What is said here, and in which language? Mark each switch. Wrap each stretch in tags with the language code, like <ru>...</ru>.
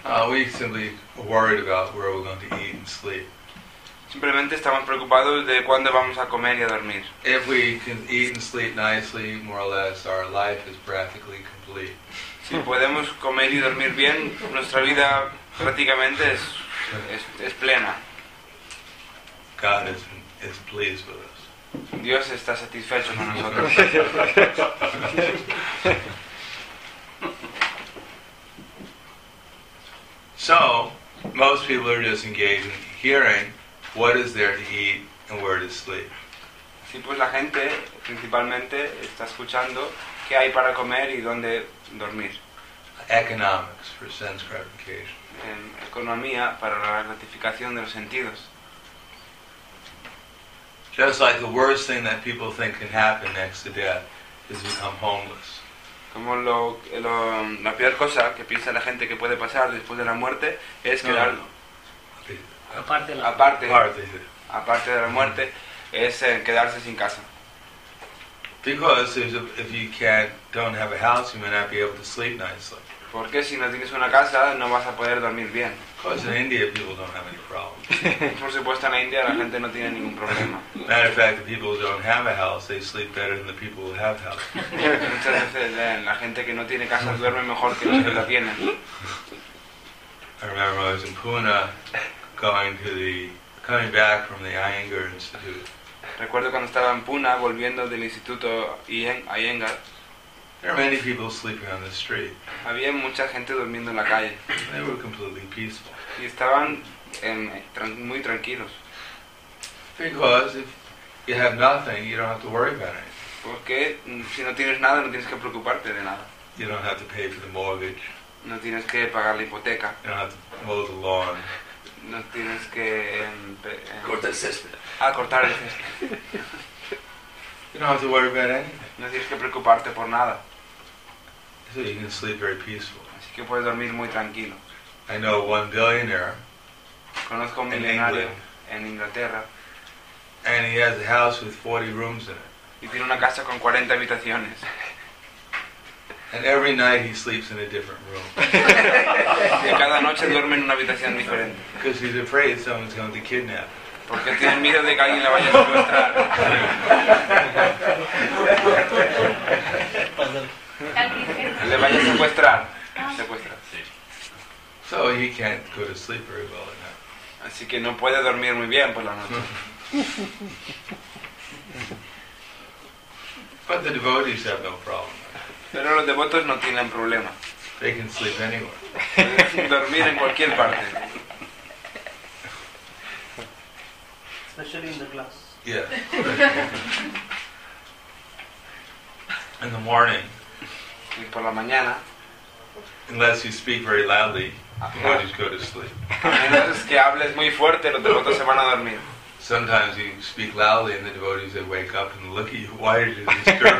<en>We simply worried about where we're going to eat and sleep.</en> <es>Simplemente estamos preocupados de cuándo vamos a comer y a dormir.</es> <en>If we can eat and sleep nicely, more or less, our life is practically complete.</en> <es>Si podemos comer y dormir bien, nuestra vida prácticamente es plena.</es> <en>God is pleased with us.</en> <es>Dios está satisfecho con nosotros.</es> <en>So, most people are just engaged in hearing. What is there to eat and where to sleep?</en> <es>Sí, pues la gente principalmente está escuchando qué hay para comer y dónde dormir.</es> <en>Economics for sense gratification.</en> <es>En economía para la gratificación de los sentidos.</es> <en>Just like the worst thing that people think can happen next to death is become homeless.</en> <es>Como la peor cosa que piensa la gente que puede pasar después de la muerte es quedar. Aparte de la muerte, es quedarse sin casa.</es> <en>Because if you don't have a house, you may not be able to sleep nicely.</en> <es>Porque si no tienes una casa, no vas a poder dormir bien.</es> <en>Because in India, people don't have any problems.</en> <es>Por supuesto, en India la gente no tiene ningún problema.</es> <en>Matter of fact, the people who don't have a house, they sleep better than the people who have houses.</en> <es>Muchas veces la gente que no tiene casa duerme mejor que los que la tienen.</es> <en>I remember when I was in Pune. Coming back from the Iyengar Institute.</en> <es>Recuerdo cuando estaba en Pune volviendo del Instituto Iyengar.</es> <en>There were many people sleeping on the street.</en> <es>Había mucha gente durmiendo en la calle.</es> <en>They were completely peaceful.</en> <es>Y estaban muy tranquilos.</es> <en>Because if you have nothing, you don't have to worry about anything.</en> <es>Porque si no tienes nada, no tienes que preocuparte de nada.</es> <en>You don't have to pay for the mortgage.</en> <es>No tienes que pagar la hipoteca.</es> <en>You don't have to mow the lawn.</en> <es>No tienes que cortar el césped. Ah, cortar el césped.</es> <en>You don't have to worry about anything.</en> <es>No tienes que preocuparte por nada.</es> <en>So you can sleep very peaceful.</en> <es>Así que puedes dormir muy tranquilo.</es> <en>I know one billionaire.</en> <es>Conozco un millonario en Inglaterra.</es> <en>And he has a house with 40 rooms in it.</en> <es>Y tiene una casa con 40 habitaciones.</es> <en>And every night he sleeps in a different room.</en> <es>Y cada noche duerme en una habitación diferente.</es> <en>Because he's afraid someone's going to kidnap.</en> <es>Porque tiene miedo de que alguien la vaya a secuestrar. Le vaya a secuestrar.</es> <en>So he can't go to sleep very well at night.</en> <es>Así que no puede dormir muy bien por la noche.</es> <en>But the devotees have no problem.</en> <es>Pero los devotos no tienen problema.</es> <en>They can sleep anywhere.</en> <es>Dormir en cualquier parte.</es> <en>Especially in the glass. Yeah. In the morning.</en> <es>Y por la mañana.</es> <en>Unless you speak very loudly, you just go to sleep.</en> <es>A menos que hables muy fuerte, los devotos se van a dormir.</es> <en>Sometimes you speak loudly and the devotees, they wake up and look at you, why are you disturbing?</en>